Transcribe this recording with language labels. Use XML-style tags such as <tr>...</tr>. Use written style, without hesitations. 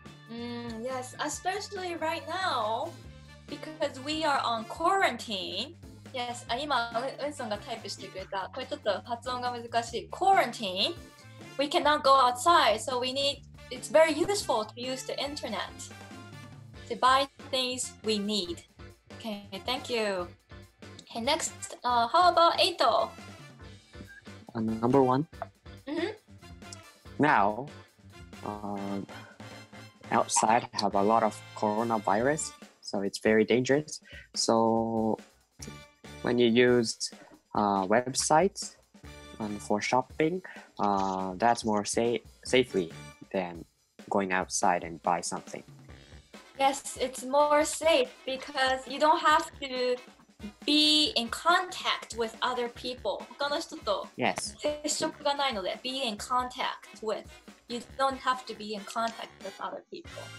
<en>Yes, especially right now, because we are on quarantine.</en> <ja>Yes, 今ウンソンがタイプしてくれた。これちょっと発音が難しい。</ja> <en>Quarantine. We cannot go outside, so we need. It's very useful to use the internet to buy things we need. Okay, thank you. Hey, next, how about Eito? Number one. Now, outside have a lot of coronavirus, so it's very dangerous. So when you use websites for shopping, that's more safely than going outside and buy something. Yes, it's more safe because you don't have to be in contact with other people.</en> <ja>他の人と接触がないので、</ja> <en>yes. be in contact with. You don't have to be in contact with other people.</en>